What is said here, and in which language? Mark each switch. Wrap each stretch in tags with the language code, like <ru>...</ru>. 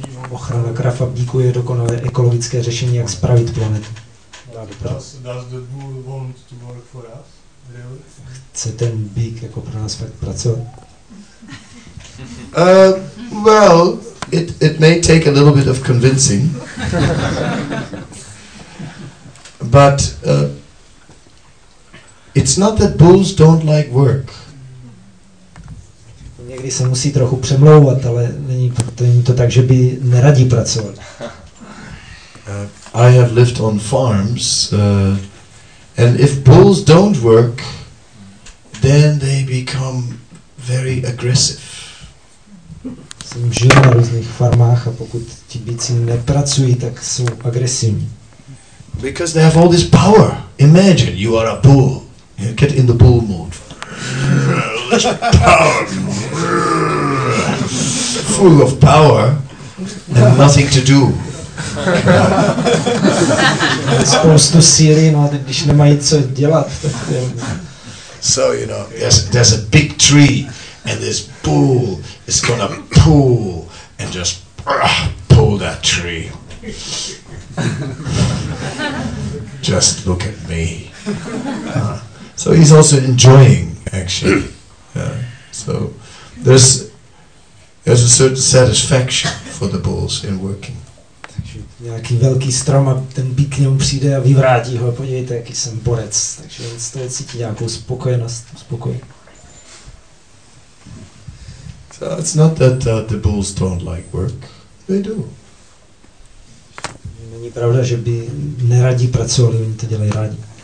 <cs>Ochrana krav a bíku je dokonalé ekologické řešení, jak spravit planetu.</cs> <en>Does the bull want to work for us? Really?</en> <cs>Chce ten bík jako pro nás fakt pracovat?</cs> <en>Well, it may take a little bit of convincing. But it's not that bulls don't like work.</en> <cs>Někdy se musí trochu přemlouvat, ale není to, tak, že by neradi pracoval.</cs> <en>I have lived on farms, and if bulls don't work, then they become very aggressive.</en> <cs>Jsem žil na různých farmách a pokud ti býci nepracují, tak jsou agresivní.</cs> <en>Because they have all this power. Imagine, you are a bull. You get in the bull mode. Full of power and nothing to do.</en> <cs>Spoustu síly, no a když nemají co dělat.</cs> <en>So, you know, there's a big tree and this bull is gonna pull and just pull that tree. Just look at me. So he's also enjoying, actually. So there's a certain satisfaction for the bulls in working.</en> <cs>Takže nějaký velký strom a ten bík k němu přijde a vyvrátí ho. Podívejte, jaký jsem borec. Takže on z toho cítí nějakou spokojenost.</cs> <en>So it's not that the bulls don't like work. They do.</en> <cs>Není pravda, že by neradí pracovali, oni to dělají rádi.</cs>